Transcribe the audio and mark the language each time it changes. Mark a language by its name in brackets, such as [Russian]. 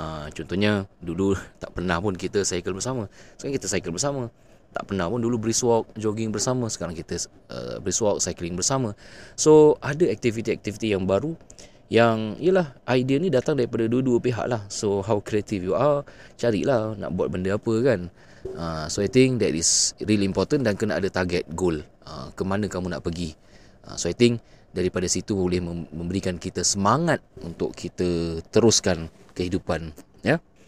[Malay] Contohnya dulu tak pernah pun kita cycle bersama. Sekarang kita cycle bersama. Tak pernah pun dulu brisk walk, jogging bersama. Sekarang kita brisk walk, cycling bersama. So ada aktiviti-aktiviti yang baru. Yang yelah, idea ni datang daripada dua-dua pihak lah. [English] So how creative you are, [Malay] carilah nak buat benda apa kan. [English] So I think that is really important. [Malay] Dan kena ada target, goal, ke mana kamu nak pergi. [English] So I think [Malay] daripada situ boleh memberikan kita semangat untuk kita teruskan kehidupan, ya.